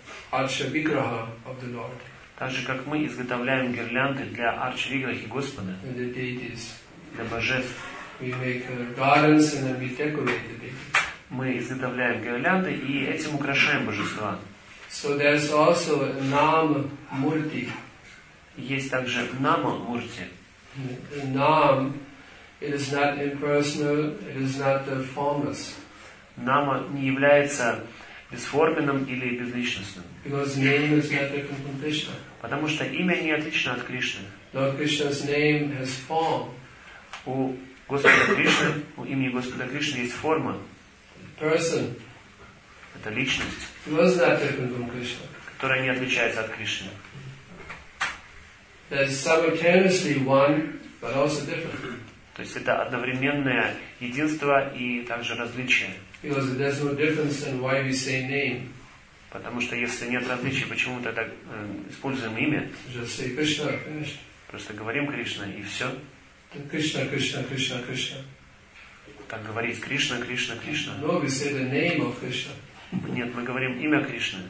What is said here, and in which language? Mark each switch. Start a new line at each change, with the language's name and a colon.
Russian: Так же, как мы изготовляем гирлянды для Арчавиграхи Господа. Для божеств.
English: We make gardens and then we decorate the deity.
Russian: Мы изготовляем гирлянды и этим украшаем божества.
English: So there's also Nama Murti.
Russian: Есть также Нама Мурти.
English: Nama, it is not impersonal, it is not formless.
Russian: Нама не является бесформенным или безличностным.
English: Because name is not different from Krishna.
Russian: Потому что имя не отлично от Кришны.
English: Lord Krishna's name has form.
Russian: У Господа Кришны, у имени Господа Кришны есть форма.
English: Person.
Russian: Это личность.
English: It was not different from Krishna.
Russian: Которая не отличается от Кришны.
English: There's simultaneously one, but also different.
Russian: То есть это одновременное единство и также различие.
English: Because there's no difference in why we say name.
Russian: Потому что если нет различий, почему мы тогда используем имя?
English: Just say Krishna, Krishna.
Russian: Просто говорим Кришна и все. Кришна, Кришна, Кришна, Кришна. Так говорить Кришна, Кришна, Кришна.
English: No, we say the name of Krishna.
Russian: Нет, мы говорим имя Кришны.